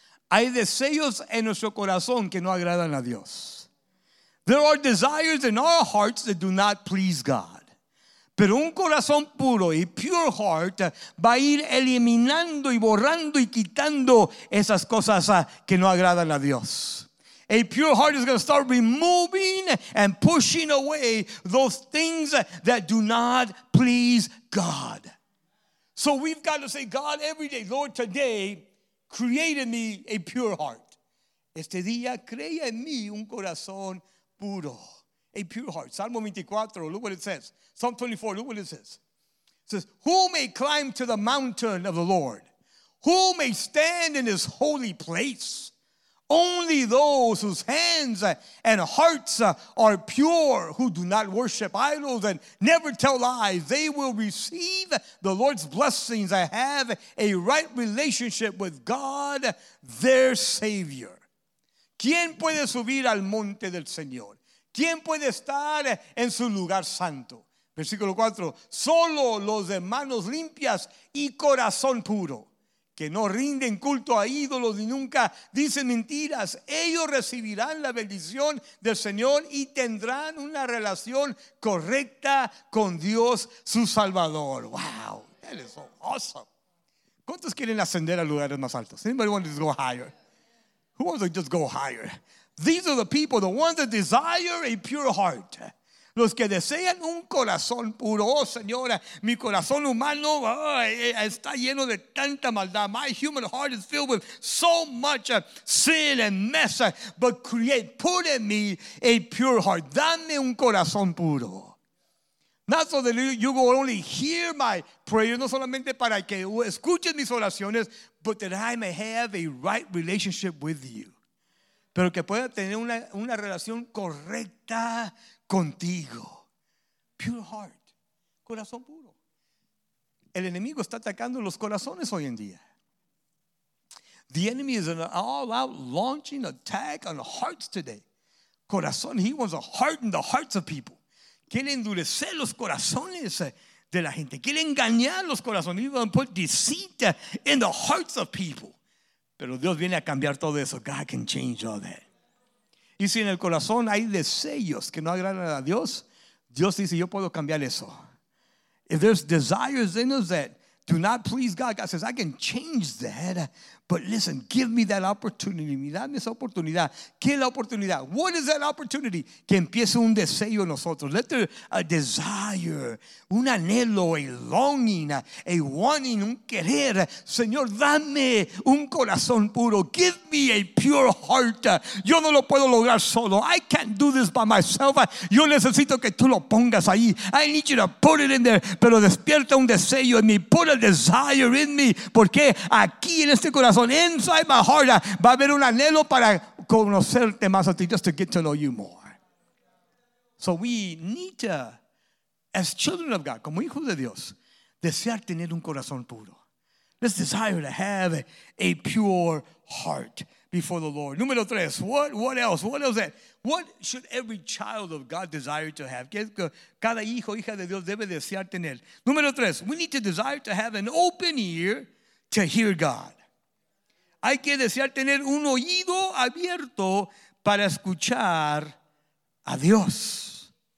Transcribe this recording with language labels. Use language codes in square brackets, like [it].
[es] Hay deseos en nuestro corazón que no agradan a Dios. [en] There are desires in our hearts that do not please God. [es] Pero un corazón puro, [en] a pure heart, [es] va a ir eliminando y borrando y quitando esas cosas que no agradan a Dios. [en] A pure heart is going to start removing and pushing away those things that do not please God. So we've got to say, God, every day, Lord, today, create in me a pure heart. [es] Este día, crea en mí un corazón puro. [en] A pure heart. Psalm 24, look what it says. Psalm 24, look what it says. It says, who may climb to the mountain of the Lord? Who may stand in his holy place? Only those whose hands and hearts are pure, who do not worship idols and never tell lies, they will receive the Lord's blessings and have a right relationship with God, their Savior. [es] ¿Quién puede subir al monte del Señor? ¿Quién puede estar en su lugar santo? Versículo 4. Solo los de manos limpias y corazón puro. Que no rinden culto a ídolos ni nunca dicen mentiras. Ellos recibirán la bendición del Señor y tendrán una relación correcta con Dios su Salvador. [en] Wow, that is so awesome. [es] ¿Cuántos quieren ascender a lugares más altos? [en] Anybody want to just go higher? Who wants to just go higher? These are the people, the ones that desire a pure heart. [es] Los que desean un corazón puro. Oh, Señora, mi corazón humano está lleno de tanta maldad. [en] My human heart is filled with so much sin and mess. But create, put in me a pure heart. [es] Dame un corazón puro. [en] Not so that you will only hear my prayer, [es] no solamente para que escuches mis oraciones, [en] but that I may have a right relationship with you. [es] Pero que pueda tener una relación correcta contigo. [en] Pure heart. [es] Corazón puro. El enemigo está atacando los corazones hoy en día. [en] The enemy is an all-out launching attack on hearts today. Corazón, he wants to harden the hearts of people. [es] Quiere endurecer los corazones de la gente. Quiere engañar los corazones. [en] He wants to put deceit in the hearts of people. [es] Pero Dios viene a cambiar todo eso. [en] God can change all that. [es] Y si en el corazón hay deseos que no agradan a Dios, Dios dice, yo puedo cambiar eso. [en] If there's desires in us that do not please God, God says, I can change that. But listen, give me that opportunity. [es] Dame esa oportunidad. ¿Qué es la oportunidad? [en] What is that opportunity? [es] Que empiece un deseo en nosotros. [en] Let there a desire, [es] un anhelo, [en] a longing, a wanting, [es] un querer. Señor, dame un corazón puro. [en] Give me a pure heart. [es] Yo no lo puedo lograr solo. [en] I can't do this by myself. [es] Yo necesito que tú lo pongas ahí. [en] I need you to put it in there. [es] Pero despierta un deseo en mí. [en] Put a desire in me. [es] Porque aquí en este corazón, [en] inside my heart, [es] va a haber un anhelo para conocerte más a ti, [en] just to get to know you more. So we need to, as children of God, [es] como hijos de Dios, desear tener un corazón puro. [en] Let's desire to have a pure heart before the Lord. [es] Número tres, [en] what else? What should every child of God desire to have? [es] Cada hijo, hija de Dios debe desear tener. Número tres, [en] we need to desire to have an open ear to hear God. [es] Hay que desear tener un oído abierto para escuchar a Dios.